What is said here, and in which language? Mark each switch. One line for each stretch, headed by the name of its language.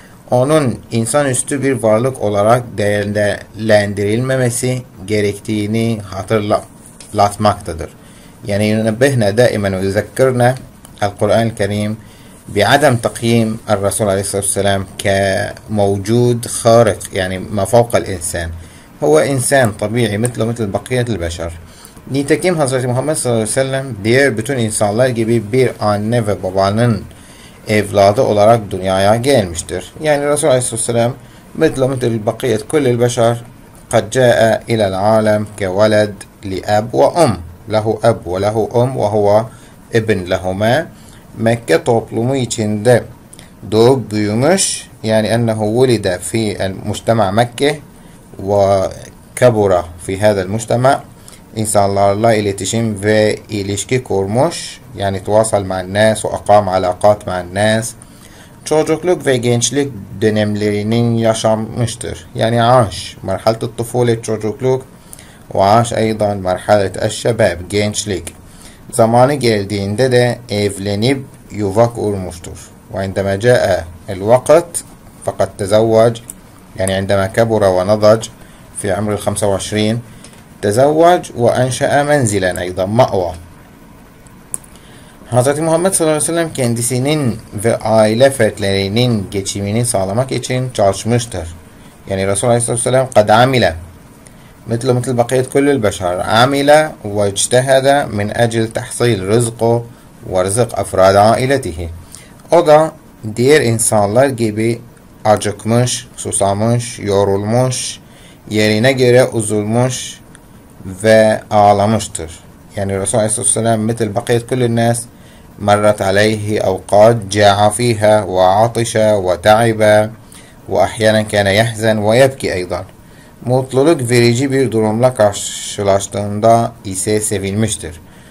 Turkish: Onun insan üstü bir varlık olarak değerlendirilmemesi gerektiğini hatırlatmaktadır.
Arabic: يعني ينبهنا دائما ويذكرنا القرآن الكريم بعدم تقييم الرسول عليه الصلاة والسلام كموجود خارق يعني ما فوق الإنسان. هو إنسان طبيعي مثله مثل بقية البشر.
Turkish: نيتكيم حضرة محمد صلى الله عليه وسلم diğer bütün insanlar gibi bir anne ve babanın evladı olarak dünyaya gelmiştir.
Arabic: Yani الرسول عليه الصلاة والسلام مثله مثل بقية كل البشر قد جاء إلى العالم كولد لأب وأم. له أب وله أم وهو ابن لهما. مكة
Turkish: toplumu içinde doğup büyümüş yani
Arabic: أنه ولد في المجتمع مكة وكبر في هذا المجتمع.
Turkish: İnsanlarla iletişim ve ilişki kurmuş yani
Arabic: تواصل مع الناس وأقام علاقات مع الناس.
Turkish: Çocukluk ve gençlik dönemlerinin yaşanmıştır yani
Arabic: عاش مرحلة الطفولة
Turkish: çocukluk
Arabic: وعاش أيضا مرحلة الشباب
Turkish: gençlik. Zamanı geldiğinde de evlenip yuva kurmuştur.
Arabic: وعندما جاء الوقت فقد تزوج يعني عندما كبر ونضج في عمر 25 تزوج وأنشأ منزلا أيضا مأوى.
Turkish: Hz. Muhammed sallallahu aleyhi ve sellem kendisinin ve aile fertlerinin geçimini sağlamak için çalışmıştır. Yani Resul aleyhisselatü vesselam
Arabic: قد عمل مثل بقية كل البشر عمل واجتهد من أجل تحصيل رزقه ورزق أفراد عائلته.
Turkish: O da diğer insanlar gibi acıkmış, susamış, yorulmuş, yerine göre uzulmuş ve ağlamıştır. Yani Resulü Aleyhisselatü Vesselam
Arabic: مثل بقية كل الناس مرت عليه أوقات جاع فيها وعطش وتعب وأحيانا كان يحزن ويبكي أيضا.
Turkish: Mutluluk verici bir durumla karşılaştığında ise sevinmiştir.